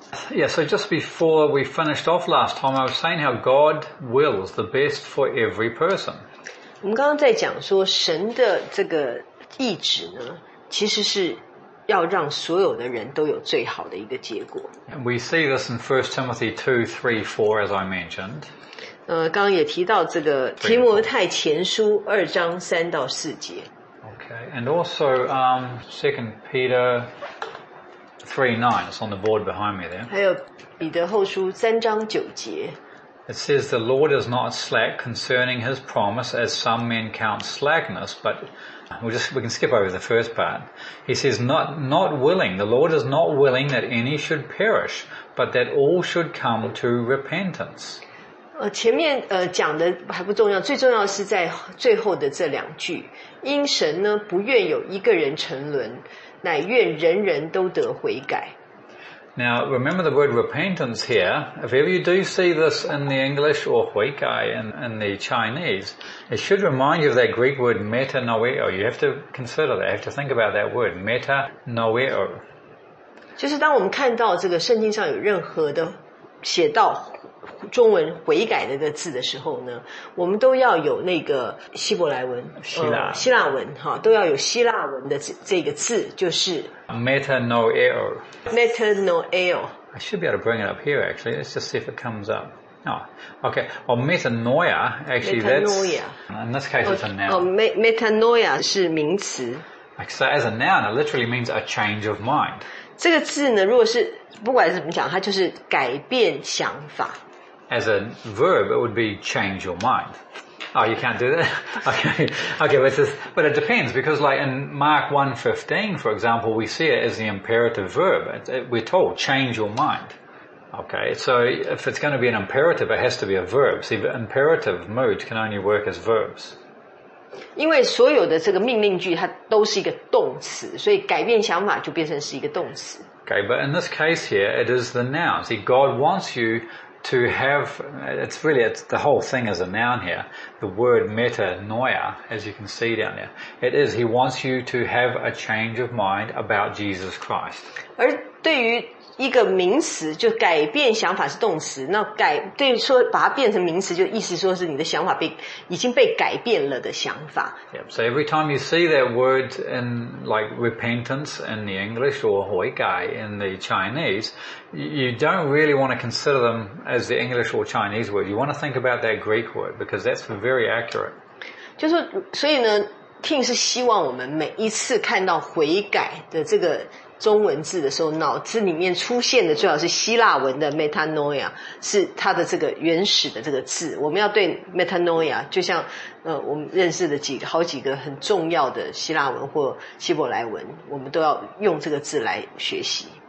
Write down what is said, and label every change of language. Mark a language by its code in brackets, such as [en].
[en] Yeah, so just before we finished off last time, I was saying how God wills the best for every person. [zh] 我们刚刚在讲说神的这个意志呢，其实是要让所有的人都有最好的一个结果。 [en] And we see this in 1 Timothy 2, 3, 4, as I mentioned. [zh] 刚刚也提到这个提摩太前书二章三到四节。 [en] Okay, and also 2 Peter 3, 9, it's on the board behind me there. [zh] 还有彼得后书三章九节。 [en] It says, the Lord is not slack concerning his promise as some men count slackness, but we can skip over the first part. He says, not willing, the Lord is not willing that any should perish, but that all should come to repentance. [zh] 前面讲的还不重要，最重要是在最后的这两句。因神呢，不愿有一个人沉沦，乃愿人人都得悔改。 [en] Now, remember the word repentance here. If ever you do see this in the English or [zh] 悔改 [en] in the Chinese, it should remind you of that Greek word metanoeo. You have to consider that. You have to think about that word, metanoeo. [zh] 就是当我们看到这个圣经上有任何的写到中文悔改的个字的时候呢，我们都要有那个希伯来文、希腊文哈，都要有希腊文的这个字，就是 [el] metanoeo。 metanoeo。 [en] I should be able to bring it up here actually. Let's just see if it comes up. Oh, okay. Well, metanoia actually. [el] Metanoia. [en] In this case, it's a noun. [zh] Metanoia 是名词。 [en] So as a noun, it literally means a change of mind. [zh] 这个字呢，如果是不管怎么讲，它就是改变想法。 [en] As a verb, it would be change your mind. Oh, you can't do that? Okay, but it depends, because like in Mark 1:15, for example, we see it as the imperative verb. We're told, change your mind. Okay, so if it's going to be an imperative, it has to be a verb. See, the imperative mood can only work as verbs. [zh] 因为所有的这个命令句它都是一个动词，所以改变想法就变成是一个动词。 [en] Okay, but in this case here, it is the noun. See, God wants you to have, the whole thing is a noun here. The word metanoia, as you can see down there. It is, he wants you to have a change of mind about Jesus Christ. [zh] 而对于一个名词，就改变想法是动词，那改，对于说把它变成名词，就意思说是你的想法已经被改变了的想法。 [en] Yep, so every time you see that word in like repentance in the English or [zh] 悔改 [en] in the Chinese, you don't really want to consider them as the English or Chinese word. You want to think about that Greek word because that's very accurate. [zh] 就是所以呢 ，King 是希望我们每一次看到悔改的这个中文字的时候，脑子里面出现的最好是希腊文的 metanoia， 是它的这个原始的这个字。我们要对 metanoia， 就像我们认识的好几个很重要的希腊文或希伯来文，我们都要用这个字来学习。